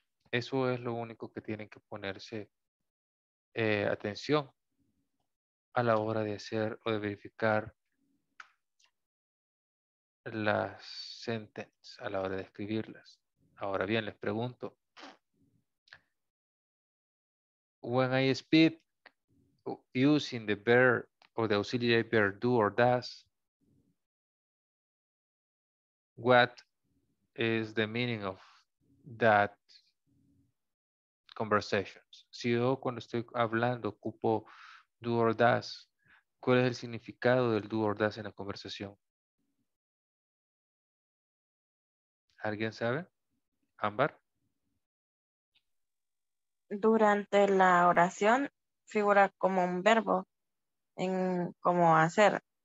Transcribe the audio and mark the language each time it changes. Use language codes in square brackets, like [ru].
[es] Eso es lo único que tienen que ponerse atención a la hora de hacer o de verificar las sentences, a la hora de escribirlas. Ahora bien, les pregunto. [en] When I speak using the verb or the auxiliary verb do or does, what is the meaning of that conversation? [es] Si yo cuando estoy hablando ocupo do or does, ¿cuál es el significado del do or does en la conversación? ¿Alguien sabe? Ámbar. Durante la oración figura como un verbo en cómo hacer.